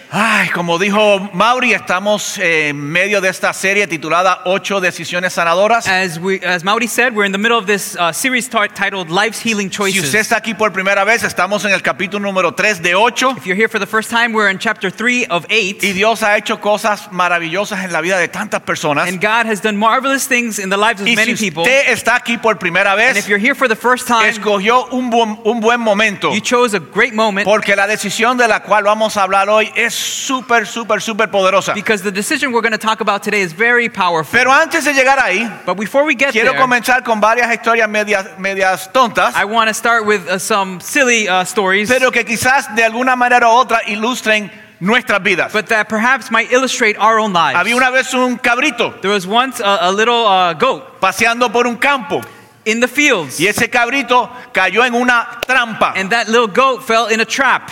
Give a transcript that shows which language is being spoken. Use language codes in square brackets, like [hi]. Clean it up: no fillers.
[es] Ay, como dijo Mauri, estamos en medio de esta serie titulada Ocho Decisiones Sanadoras. [en] As Mauri said, we're in the middle of this series titled Life's Healing Choices. [es] Si usted está aquí por primera vez, estamos en el capítulo número 3 de 8. [en] If you're here for the first time, we're in chapter 3 of 8. [es] Y Dios ha hecho cosas maravillosas en la vida de tantas personas. [en] And God has done marvelous things in the lives of many people. [es] Y si usted está aquí por primera vez, [en] and if you're here for the first time, [es] escogió un buen momento. [en] You chose a great moment. [es] Porque la decisión de la cual vamos a hablar hoy es super, super, super poderosa. [en] Because the decision we're going to talk about today is very powerful. [es] Pero antes de llegar ahí, [en] but before we get [es] quiero [en] there, [es] comenzar con varias historias medias tontas. [en] I want to start with some silly stories. [es] Pero que quizás de alguna manera u otra ilustren nuestras vidas. [en] But that perhaps might illustrate our own lives. [es] Había una vez un cabrito. [en] There was once a little goat. [es] Paseando por un campo. [en] In the fields. [es] Y ese cabrito cayó en una trampa. [en] And that little goat fell in a trap.